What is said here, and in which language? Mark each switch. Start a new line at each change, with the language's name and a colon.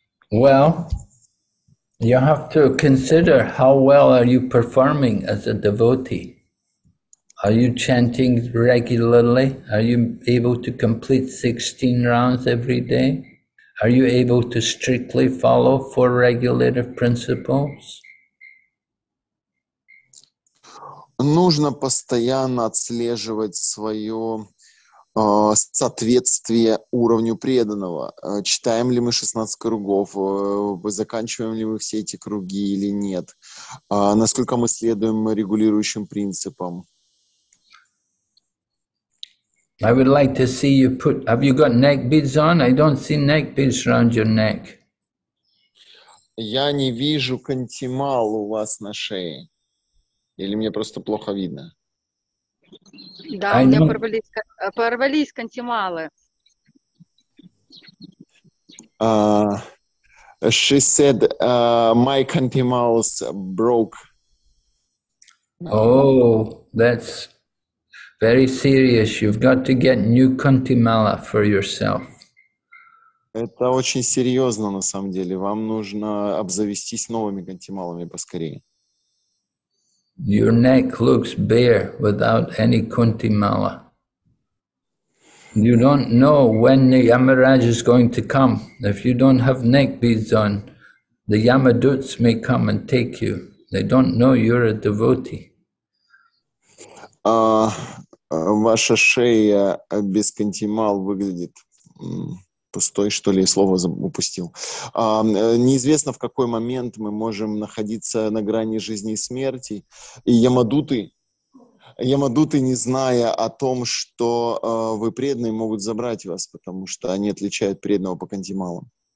English: Well, you have to consider how well are you performing as a devotee. Are you chanting regularly? Are you able to complete 16 rounds every day? Are you able to strictly follow four regulative principles?
Russian: Нужно постоянно отслеживать свое соответствие уровню преданного. Читаем ли мы 16 кругов, заканчиваем ли мы все эти круги или нет, насколько мы следуем регулирующим принципам.
English: I would like to see you put... Have you got neck beads on? I don't see neck beads around your neck.
Russian: Я не вижу кантимал у вас на шее. Или мне просто плохо видно? Да, у меня порвались кантималы.
English: She said, my cantimals broke. Oh, that's very serious. You've got to get new cantimala for yourself.
Russian: Это очень серьезно, на самом деле. Вам нужно обзавестись новыми кантималами поскорее.
English: Your neck looks bare without any kunti mala. You don't know when the Yamaraj is going to come. If you don't have neck beads on, the Yamaduts may come and take you. They don't know you're a devotee.
Russian: Ваша шея без кантимал выглядит пустой, что ли, слово упустил. Неизвестно, в какой момент мы можем находиться на грани жизни и смерти. И ямадуты, не зная о том, что вы преданные, могут забрать вас, потому что они отличают преданного по кантималам.